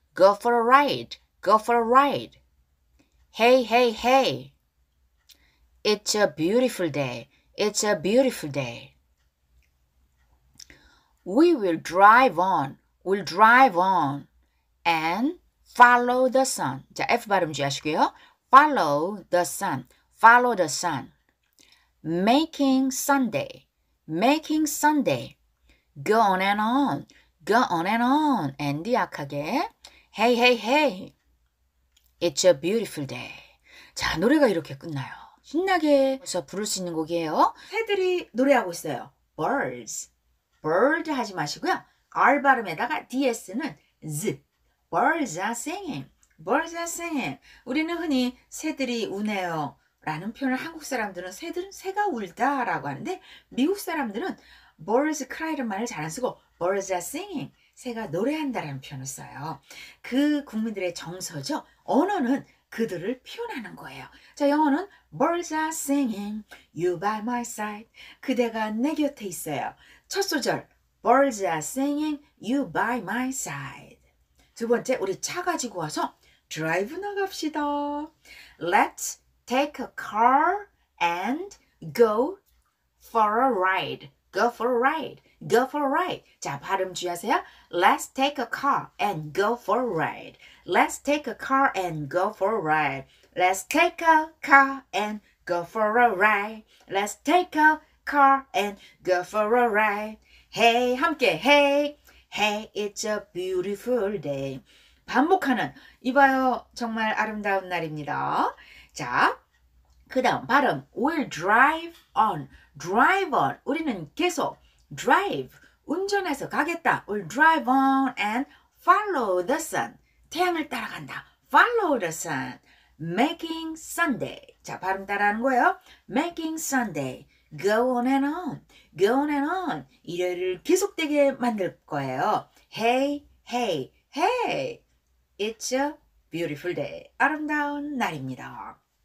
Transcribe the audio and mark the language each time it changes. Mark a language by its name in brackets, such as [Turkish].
[English] Go for a ride. Go for a ride. Hey, hey, hey. It's a beautiful day. It's a beautiful day. We will drive on. will drive on and follow the sun. [Korean] 자, F 발음 주의하시고요. [English] Follow the sun. Follow the sun. Making Sunday. Making Sunday. Go on and on. Go on and on. And 약하게. Hey, hey, hey. It's a beautiful day. [Korean] 자, 노래가 이렇게 끝나요. 신나게 해서 부를 수 있는 곡이에요. 새들이 노래하고 있어요. [English] Birds. [Korean] Bird 하지 마시고요. R 발음에다가 DS는 Z. [English] Birds are singing. Birds are singing. [Korean] 우리는 흔히 새들이 우네요 라는 표현을 한국 사람들은 새들은 새가 울다 라고 하는데 미국 사람들은 [English] birds cry [Korean] 라는 말을 잘 안 쓰고 [English] birds are singing. [Korean] 새가 노래한다 라는 표현을 써요. 그 국민들의 정서죠. 언어는 그들을 표현하는 거예요. 자, 영어는 [English] birds are singing. You by my side. [Korean] 그대가 내 곁에 있어요. 첫 소절 [English] birds are singing. You by my side. [Korean] 두 번째, 우리 차 가지고 와서 드라이브 나갑시다. [English] Let's take a car and go for a ride. Go for a ride. Go for a ride. [Korean] 자, 발음 주의하세요. [English] Let's take a car and go for a ride. Let's take a car and go for a ride. Let's take a car and go for a ride. Let's take a car and go for a ride. Hey, 함께 hey. Hey, it's a beautiful day. [Korean] 반복하는, 이봐요, 정말 아름다운 날입니다. 자, 그 다음 발음, [English] we'll drive on, drive on. [Korean] 우리는 계속 drive, 운전해서 가겠다. [English] We'll drive on and follow the sun. [Korean] 태양을 따라간다. [English] Follow the sun. Making Sunday. [Korean] 자, 발음 따라하는 거예요. [English] Making Sunday. Go on and on. Go on and on. [Korean] 일요일을 계속되게 만들 거예요. [English] Hey, hey, hey. It's a beautiful day. [Korean] 아름다운 날입니다.